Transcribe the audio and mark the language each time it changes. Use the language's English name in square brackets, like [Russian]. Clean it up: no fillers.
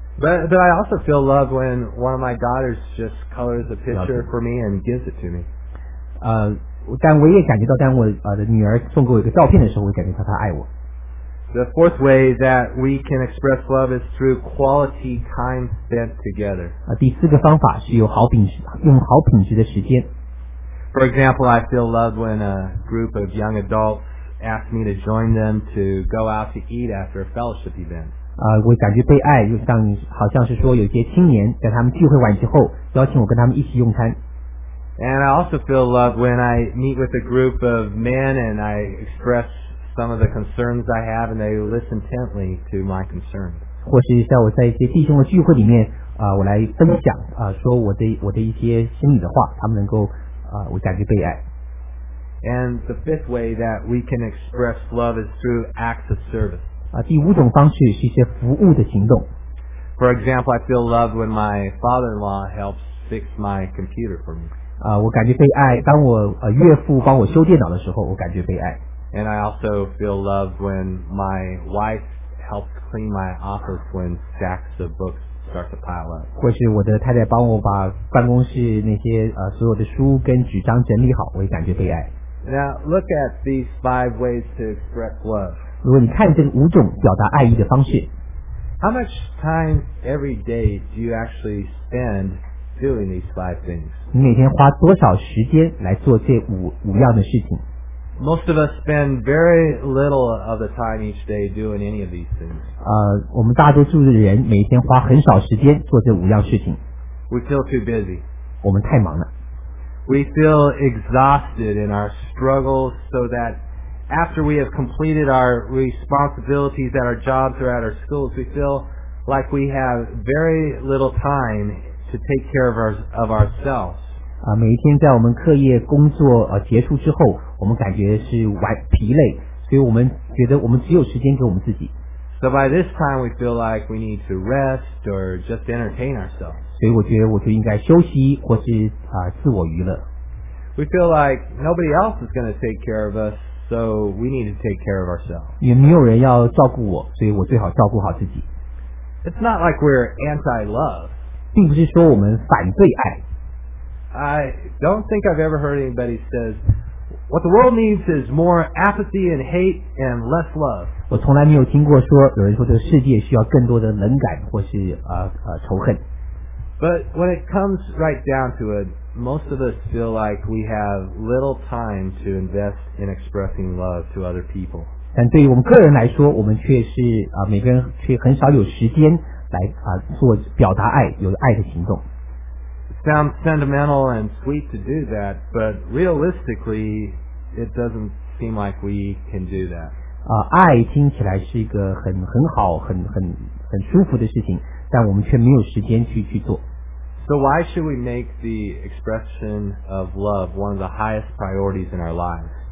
[English] But I also feel loved when one of my daughters just colors a picture for me and gives it to me. [Chinese] 但我也感觉到，当我的女儿送给我一个照片的时候，我感觉到她爱我。 [English] The fourth way that we can express love is through quality time spent together. [Chinese] 第四个方法是用好品质的时间。 [English] For example, I feel loved when a group of young adults ask me to join them to go out to eat after a fellowship event. [Chinese] 我感觉被爱，就像好像是说有些青年在他们聚会完之后邀请我跟他们一起用餐。 [English] And I also feel loved when I meet with a group of men and I express some of the concerns I have and they listen intently to my concerns. [Chinese] 或是像我在一些弟兄的聚会里面我来分享说我的一些心里的话，他们能够我感觉被爱。 [English] And the fifth way that we can express love is through acts of service. [Chinese] 第五种方式是一些服务的行动。 [English] For example, I feel loved when my father-in-law helps fix my computer for me. [Chinese] 我感觉被爱，当我岳父帮我修电脑的时候，我感觉被爱。 [English] And I also feel loved when my wife helps clean my office when stacks of books start to pile up. [Chinese] 或是我的太太帮我把办公室那些所有的书跟纸张整理好，我也感觉被爱。 [English] Now look at these 5 ways to express love. [Chinese] 如果你看这五种表达爱意的方式。 [English] How much time every day do you actually spend doing these 5 things? [Chinese] 你每天花多少时间来做这五样的事情？ [English] Most of us spend very little of the time each day doing any of these things. [Chinese] 我们大多数的人每天花很少时间做这五样事情。 [English] We feel too busy. [Chinese] 我们太忙了。 [English] We feel exhausted in our struggles so that after we have completed our responsibilities at our jobs or at our schools, we feel like we have very little time to take care of ourselves. [Chinese] 每一天在我们课业工作结束之后，我们感觉是疲累，所以我们觉得我们只有时间给我们自己。 [English] So by this time we feel like we need to rest or just entertain ourselves. [Chinese] 所以我觉得我就应该休息或是自我娱乐。 [English] We feel like nobody else is going to take care of us, so we need to take care of ourselves. [Chinese] 也没有人要照顾我，所以我最好照顾好自己。 [English] It's not like we're anti-love. [Chinese] 并不是说我们反对爱。 [English] I don't think I've ever heard anybody say, what the world needs is more apathy and hate and less love. [Chinese] 我从来没有听过说有人说这个世界需要更多的冷感或是仇恨。 [English] But when it comes right down to it, most of us feel like we have little time to invest in expressing love to other people. [Chinese] 但对于我们个人来说，我们却是每个人却很少有时间来做表达爱，有爱的行动。 [English] Sounds sentimental and sweet to do that, but realistically, it doesn't seem like we can do that. [Chinese] 爱听起来是一个很好、很舒服的事情，但我们却没有时间去做。 [English] So why should we make the expression of love one of the highest priorities in our lives?